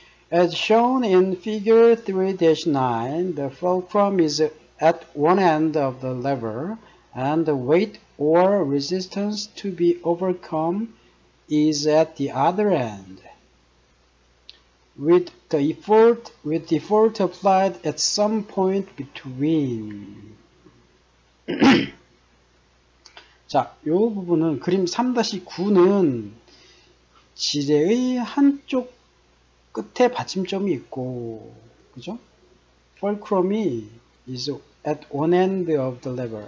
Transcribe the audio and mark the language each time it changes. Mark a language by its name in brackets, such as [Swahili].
[English] As shown in figure 3-9, the fulcrum is at one end of the lever and the weight or resistance to be overcome is at the other end. With the effort applied at some point between. [Korean] 자, 이 부분은 그림 3-9는 지뢰의 한쪽 끝에 받침점이 있고, 그죠? [English] Fulcrum이 is at one end of the lever.